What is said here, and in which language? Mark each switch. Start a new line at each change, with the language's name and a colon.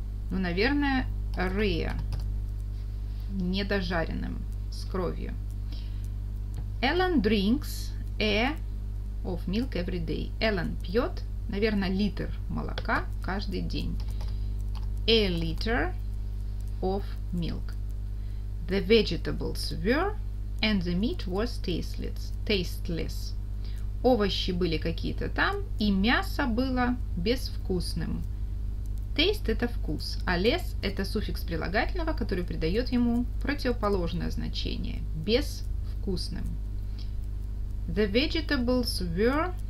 Russian: Ну, наверное, rare. Недожаренным, с кровью.
English: Ellen drinks a of milk every day.
Russian: Ellen пьет, наверное, литр молока каждый день.
English: A liter of milk. The vegetables were and the meat was tasteless. Tasteless.
Russian: Овощи были какие-то там, и мясо было безвкусным. Taste – это вкус, а less – это суффикс прилагательного, который придает ему противоположное значение – безвкусным.
English: The vegetables were